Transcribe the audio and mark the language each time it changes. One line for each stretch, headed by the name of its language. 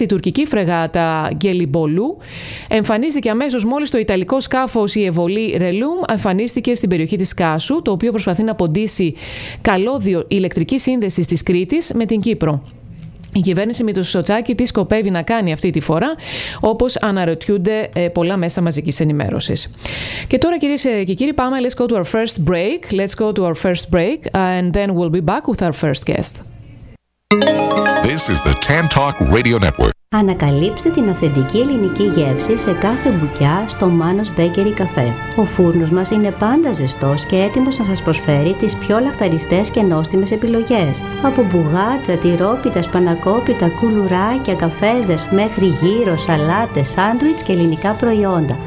Greek: Η τουρκική φρεγάτα Γκελιμπολού εμφανίστηκε αμέσως μόλις το ιταλικό σκάφος η Εβολή Ρελούμ εμφανίστηκε στην περιοχή της Κάσου, το οποίο προσπαθεί να ποντίσει καλώδιο ηλεκτρική σύνδεση της Κρήτης με την Κύπρο. Η κυβέρνηση με το Σοτσάκη τι σκοπεύει να κάνει αυτή τη φορά, όπως αναρωτιούνται πολλά μέσα μαζικής ενημέρωσης. Και τώρα κυρίες και κύριοι, πάμε,
English: let's go to our first break. Let's go to our first break and then we'll be back with our first guest. This is the Tantalk Radio Network.
Greek: Ανακαλύψτε την αυθεντική ελληνική γεύση σε κάθε μπουκιά στο Manos Bakery Cafe. Ο φούρνος μας είναι πάντα ζεστός και έτοιμος να σας προσφέρει τις πιο λαχταριστές και νόστιμες επιλογές. Από μπουγάτσα, τυρόπιτα, σπανακόπιτα, κουλουράκια, καφέδες, μέχρι γύρω, σαλάτες, σάντουιτς και ελληνικά προϊόντα.